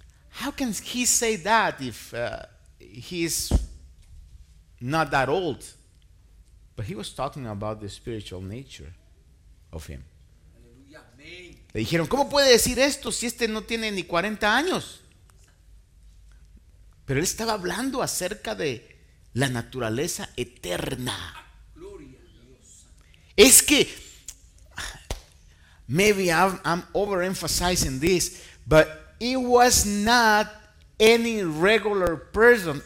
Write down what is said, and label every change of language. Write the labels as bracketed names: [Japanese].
[English] How can he say that if he's not that old? But he was talking about the spiritual nature of him. [Spanish] Le dijeron, ¿cómo puede decir esto si este no tiene ni 40 años? Pero él estaba hablando acerca de la naturaleza eterna. Es que, [English] maybe I'm overemphasizing this, but it was not any regular person.